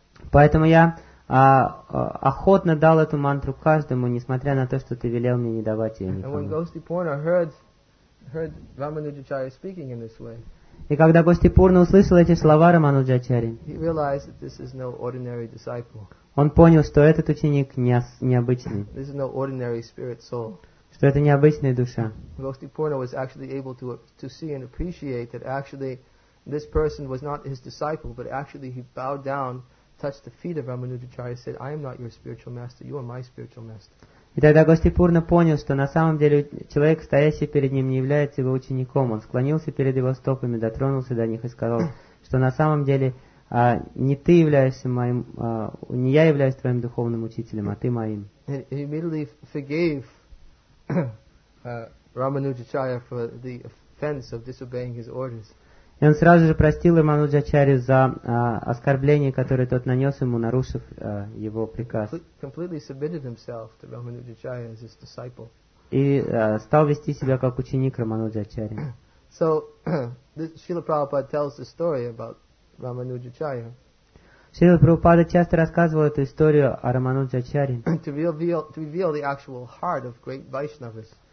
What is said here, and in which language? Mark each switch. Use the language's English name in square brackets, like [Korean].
[Russian] Поэтому я охотно дал эту мантру каждому, несмотря на то, что ты велел мне не давать ее никому. [English] And when Gostiporna heard Ramanujacharya speaking in this way, [Russian] и когда Гостипурна услышал эти слова Рамануджачарьи, [English] he realized that this is no ordinary disciple. [Russian] Он понял, что этот ученик необычный. [English] This is no ordinary spirit soul. [Russian] Что это необычная душа. [English] Gostiporna was actually able to see and appreciate that actually this person was not his disciple, but actually he bowed down, touched the feet of Ramanujacharya, said, "I am not your spiritual master. You are my spiritual master." [Russian] И тогда Гостипурна понял, что на самом деле человек, стоящий перед ним, не является его учеником. Он склонился перед его стопами, дотронулся до них и сказал, что на самом деле не ты являешься моим, не я являюсь твоим духовным учителем, а ты моим. [English] And he immediately forgave Ramanujacharya for the offense of disobeying his orders. [Russian] И он сразу же простил Рамануджачарью за оскорбление, которое тот нанес ему, нарушив его приказ. [English] Completely submitted himself to Ramanujacharya as his disciple. [Russian] И стал вести себя как ученик Рамануджачарьи. [English] So, Srila Prabhupada tells the story about Ramanujacharya. [Russian] Srila Prabhupada часто рассказывал эту историю о Рамануджачарье. [English] To reveal the actual heart of great Vaishnavas.